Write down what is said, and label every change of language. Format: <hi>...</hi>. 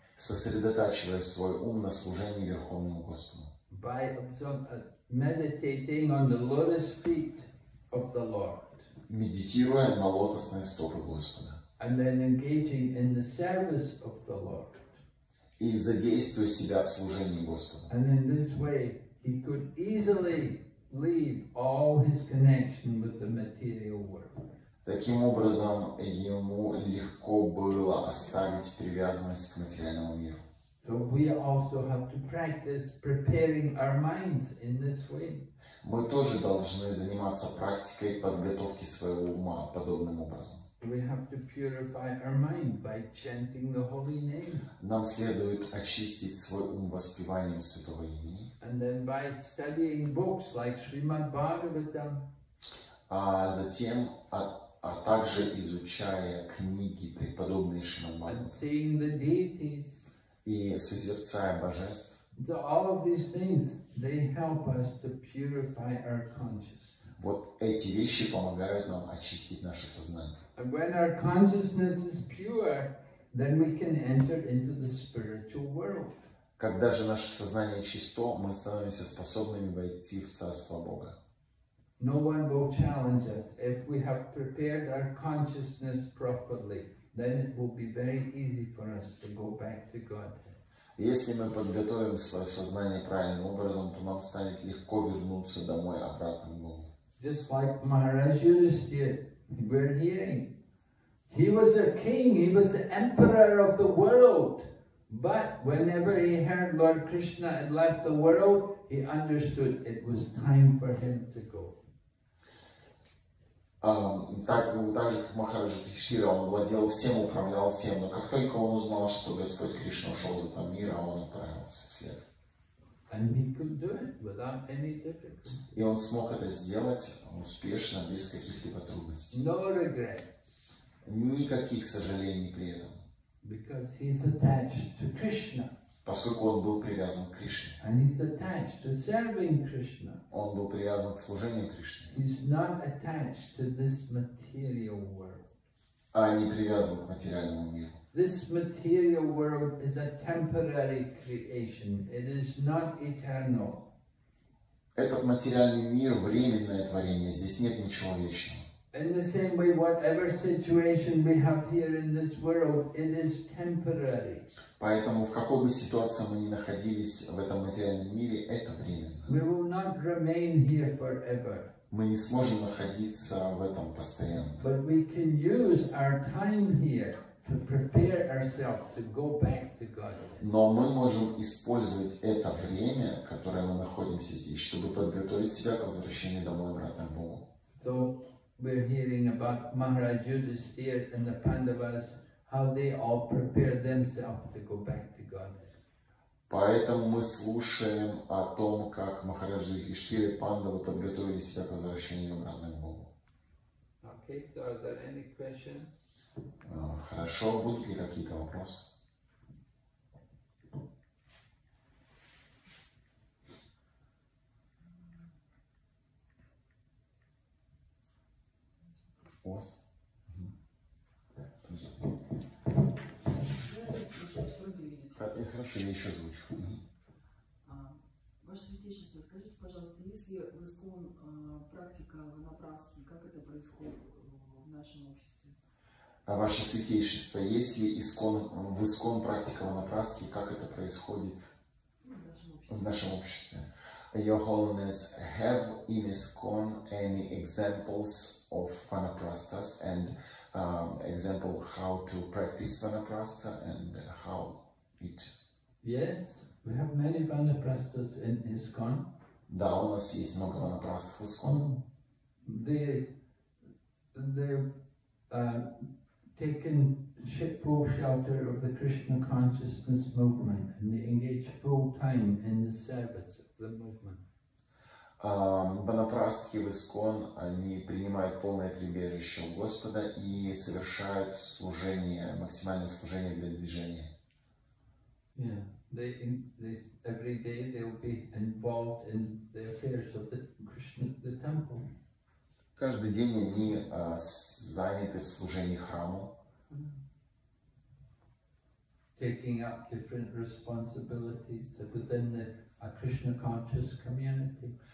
<ru>Сосредотачивая свой ум на служении Верховному Господу.</ru> <en>By meditating on the lotus feet of the Lord.</en> <ru>Медитируя на лотосные стопы Господа.</ru> <en>And then engaging in the service of the Lord.</en> <ru>И задействуя себя в служении Господу.</ru> <en>And in this way, he could easily leave all his connection with the material world.</en> <ru>Таким образом, ему легко было оставить привязанность к материальному миру.</ru> <en>So we also have to practice preparing our minds in this way.</en> <ru>Мы тоже должны заниматься практикой подготовки своего ума подобным образом.</ru> <en>We have to purify our mind by chanting the holy name.</en> <ru>Нам следует очистить свой ум воспеванием святого имени.</ru> <en>And then by studying books like Srimad Bhagavatam.</en> <ru>А затем также изучая книги подобные Шримад Бхагаватам.</ru> <en>And seeing the deities.</en> <ru>И созерцая божеств.</ru> <en>So all of these things, they help us to purify our consciousness.</en> <ru>Вот эти вещи помогают нам очистить наше сознание.</ru> <en>And when our consciousness is pure, then we can enter into the spiritual world.</en> <ru>Когда же наше сознание чисто, мы становимся способными войти в Царство Бога.</ru> <en>No one will challenge us if we have prepared our consciousness properly. Then it will be very easy for us to go back to God.</en> <ru>Если мы подготовим свое сознание правильным образом, то нам станет легко вернуться домой обратно к Богу.</ru> <en>Just like Maharaj Yudhisthira, we're hearing, he was a king, he was the emperor of the world. But whenever he heard Lord Krishna had left the world, he understood it was time for him to go.</en> <ru>Так же, как Махарадж Юдхиштхира, он владел всем, управлял всем, но как только он узнал, что Господь Кришна ушел из этого мира, он отправился вслед.</ru> <en>And he could do it without any difficulty.</en> <ru>И он смог это сделать успешно, без каких-либо трудностей.</ru> <en>No regrets.</en> <ru>Никаких сожалений при этом.</ru> <en>Because he's attached to Krishna.</en> <ru>Поскольку он был привязан к Кришне.</ru> <en>And he's attached to serving Krishna.</en> <ru>Он был привязан к служению Кришне.</ru> <en>He's not attached to this material world.</en> <ru>а не привязан к материальному миру.</ru> <en>This material world is a temporary creation. It is not eternal.</en> <ru>Этот материальный мир — временное творение. Здесь нет ничего вечного.</ru> <en>In the same way, whatever situation we have here in this world, it is temporary.</en> <ru>Поэтому в какой бы ситуации мы ни находились в этом материальном мире, это временно.</ru> <en>We will not remain here forever.</en> <ru>Мы не сможем находиться в этом постоянно.</ru> <en>But we can use our time here to prepare ourselves to go back to God.</en> <ru>Но мы можем использовать это время, которое мы находимся здесь, чтобы подготовить себя к возвращению домой обратно к Богу.</ru> <en>So we're hearing about Maharaj Yudhisthira and the Pandavas, how they all prepared themselves to go back to God.</en> <ru>Поэтому мы слушаем о том, как Махараджи и Штири Пандавы подготовили себя к возвращению обратно к Богу.</ru> <en>Okay, so are there any questions?</en> <ru>Хорошо, будут ли какие-то вопросы? Вопрос? Хорошо, я еще озвучу. Ваше святейшество, скажите, пожалуйста, если в ИСККОН практика ванапрасхи, как это происходит в нашем обществе? А ваше святейшество, есть ли в ИСККОН практика ванапрасхи, как это происходит в нашем обществе?</ru> <en>Your Holiness, have in ISKCON any examples of vanaprasthas and example how to practice vanaprastha and how it? Yes, we have many vanaprasthas in ISKCON.</en> <ru>Да, у нас есть много vanaprastha в ISKCON.</ru> <en>They've taken full shelter of the Krishna consciousness movement and they engage full time in the service.</en> <ru>Банапрастхи в ИСККОН, они принимают полное прибежище у Господа и совершают служение, максимальное служение для движения.</ru> <en>Yeah, they every day they will be involved in the affairs of the Krishna, the temple.</en> <ru>Каждый день они заняты в служении храму.</ru> <en>Taking up different responsibilities within the a Krishna conscious community.</en>